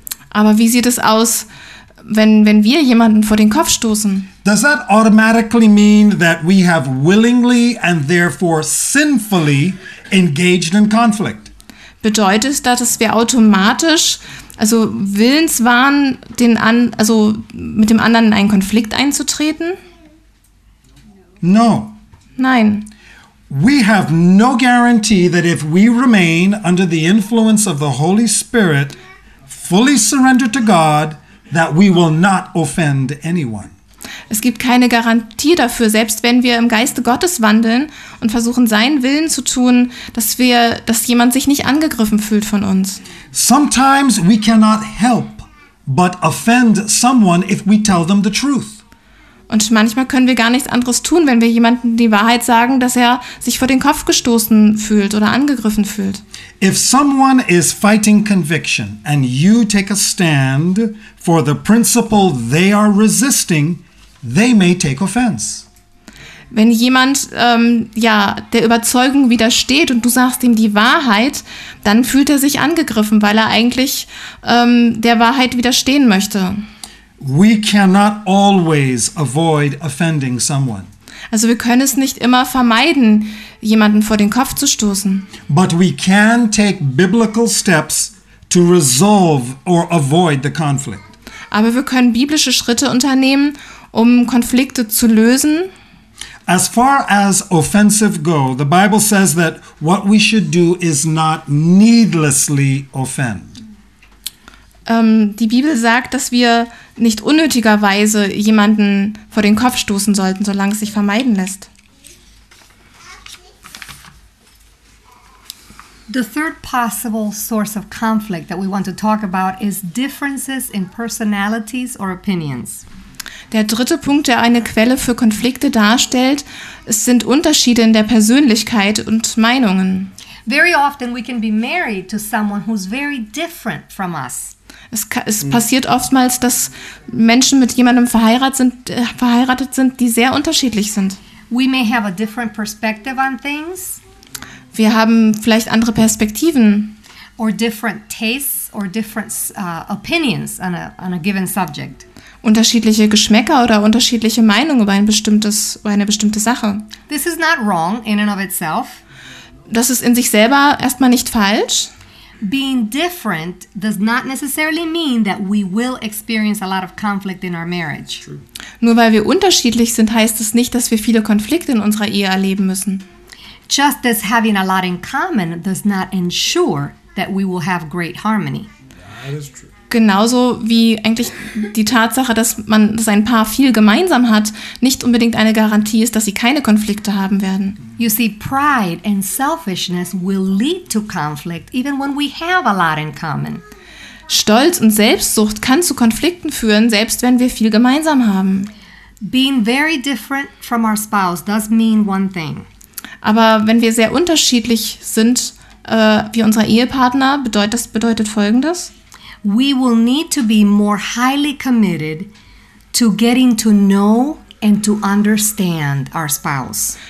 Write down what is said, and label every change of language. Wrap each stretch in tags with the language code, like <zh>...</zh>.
<de>Aber wie sieht es aus, wenn wir jemanden vor den Kopf stoßen?</de> <en>Does that automatically mean that we have willingly and therefore sinfully engaged in conflict?</en> <de>Bedeutet das, dass wir automatisch, also willens waren, also mit dem anderen in einen Konflikt einzutreten?</de> <en>No.</en> <de>Nein.</de> <en>We have no guarantee that if we remain under the influence of the Holy Spirit, fully surrendered to God, that we will not offend anyone.</en> <de>Es gibt keine Garantie dafür, selbst wenn wir im Geiste Gottes wandeln und versuchen, seinen Willen zu tun, dass jemand sich nicht angegriffen fühlt von uns.</de> <en>Sometimes we cannot help but offend someone if we tell them the truth.</en> <de>Und manchmal können wir gar nichts anderes tun, wenn wir jemandem die Wahrheit sagen, dass er sich vor den Kopf gestoßen fühlt oder angegriffen fühlt.</de> <en>If someone is fighting conviction and you take a stand for the principle they are resisting, they may take offense.</en> <de>Wenn jemand der Überzeugung widersteht und du sagst ihm die Wahrheit, dann fühlt er sich angegriffen, weil er eigentlich der Wahrheit widerstehen möchte.</de> <en>We cannot always avoid offending someone.</en> <de>Also wir können es nicht immer vermeiden, jemanden vor den Kopf zu stoßen.</de> <en>But we can take biblical steps to resolve or avoid the conflict.</en> <de>Aber wir können biblische Schritte unternehmen, um Konflikte zu lösen.</de> <en>As far as offensive go, the Bible says that what we should do is not needlessly offend.</en> <de>Die Bibel sagt, dass wir nicht unnötigerweise jemanden vor den Kopf stoßen sollten, solange es sich vermeiden lässt.</de> <en>The third possible source of conflict that we want to talk about is differences in personalities or opinions.</en> <de>Der dritte Punkt, der eine Quelle für Konflikte darstellt, sind Unterschiede in der Persönlichkeit und Meinungen.</de> <en>Very often we can be married to someone who's very different from us.</en> <de>Es passiert oftmals, dass Menschen mit jemandem verheiratet sind, die sehr unterschiedlich sind.</de> <en>We may have a different perspective on things.</en> <de>Wir haben vielleicht andere Perspektiven.</de> <en>Or different tastes or different opinions on a given subject.</en> <de>Unterschiedliche Geschmäcker oder unterschiedliche Meinungen über eine bestimmte Sache.</de> <en>This is not wrong in and of itself.</en> <de>Das ist in sich selber erstmal nicht falsch.</de> <en>Being different does not necessarily mean that we will experience a lot of conflict in our marriage.</en> <de>Nur weil wir unterschiedlich sind, heißt es nicht, dass wir viele Konflikte in unserer Ehe erleben müssen.</de> <en>Just as having a lot in common does not ensure that we will have great harmony. That is true.</en> <de>Genauso wie eigentlich die Tatsache, dass man sein Paar viel gemeinsam hat, nicht unbedingt eine Garantie ist, dass sie keine Konflikte haben werden.</de> <en>You see, pride and selfishness will lead to conflict, even when we have a lot in common.</en> <de>Stolz und Selbstsucht kann zu Konflikten führen, selbst wenn wir viel gemeinsam haben.</de> <en>Being very different from our spouse does mean one thing.</en> <de>Aber wenn wir sehr unterschiedlich sind wie unser Ehepartner, bedeutet Folgendes.</de> <en>We will need to be more highly committed to getting to know and to understand our spouse.</en>